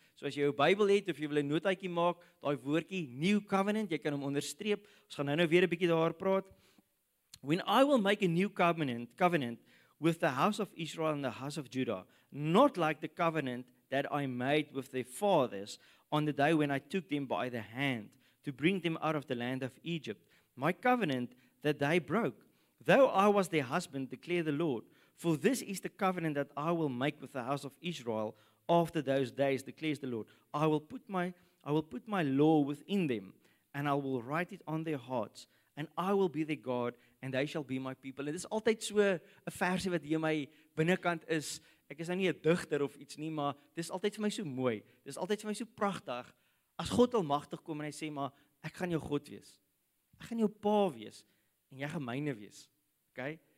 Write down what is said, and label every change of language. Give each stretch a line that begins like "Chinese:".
Afrikaans: So as jy jou Bybel het, of jy wil een notaatjie maak, daai woordjie, new covenant, jy kan hom onderstreep, ons gaan nou weer een bietjie daar praat.
English: When I will make a new covenant with the house of Israel and the house of Judah, not like the covenant that I made with their fathers on the day when I took them by the hand to bring them out of the land of Egypt, my covenant that they broke, though I was their husband, declare the Lord. For this is the covenant that I will make with the house of Israel after those days, declares the Lord. I will put my law within them, and I will write it on their hearts, and I will be their God, and they shall be my people.
Afrikaans: En dit is altyd so een versie wat hier my binnenkant is, ek is nou nie een digter of iets nie, maar dit is altyd vir my so mooi, dit is altyd vir my so prachtig, as God almagtig kom en hy sê, maar ek gaan jou God wees, ek gaan jou pa wees, en jy gaan myne wees, ok?